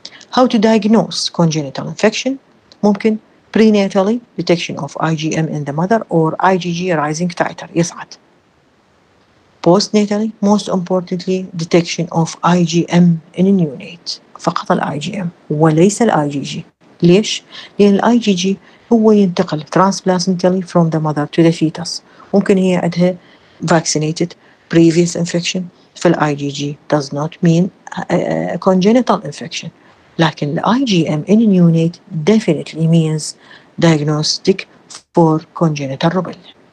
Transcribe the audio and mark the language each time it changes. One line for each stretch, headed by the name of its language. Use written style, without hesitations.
English: How to diagnose congenital infection? ممكن prenatally detection of IgM in the mother or IgG rising titer. يصعد. Postnatally, most importantly, detection of IgM in a neonate.
Arabic: فقط ال IgM وليس ال IgG. ليش؟ لأن ال IgG هو ينتقل
English: transplacentally from the mother to the fetus.
Arabic: ممكن هي عندها
English: vaccinated previous infection. فال IgG does not mean congenital infection. لكن ال IgM in a neonate definitely means diagnostic for congenital rubella.